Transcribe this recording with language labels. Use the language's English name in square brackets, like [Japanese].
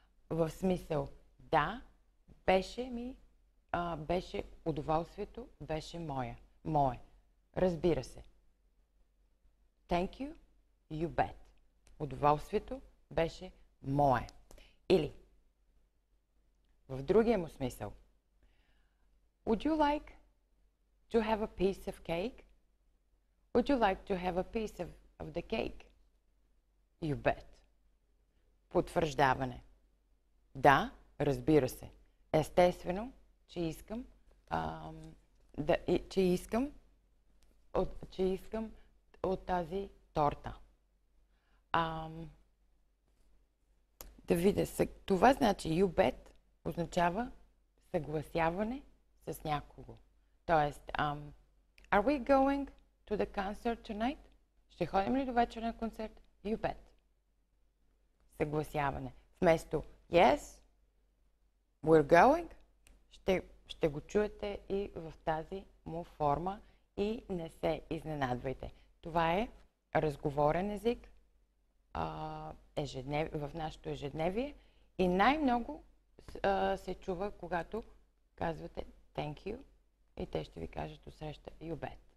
[Bulgarian] В смисъл да, беше ми, беше удоволствието, беше моя, мое. Разбира се. [English] Thank you, you bet. [Bulgarian] Удоволствието беше мое. Или в другия му смисъл. [English] Would you like to have a piece of cake? Would you like to have a piece of the cake? You bet. [Bulgarian] Потвърждаване. Да, разбира се. Естествено, че искам от тази торта. Да видя, това значи [English] you bet [Bulgarian] означава съгласяване с някого. [English] Тоест, are we going to the concert tonight? [Bulgarian] Ще ходим ли до вечера на концерт? [English] You bet. [Bulgarian] Съгласяване. Вместо [English] yes, we're going, [Bulgarian] ще го чуете и в тази му форма и не се изненадвайте. Това е разговорен език, в нашето ежедневие и най-много се чува, когато казвате [English] thank you [Bulgarian] и те ще ви кажат усреща [English] you bet.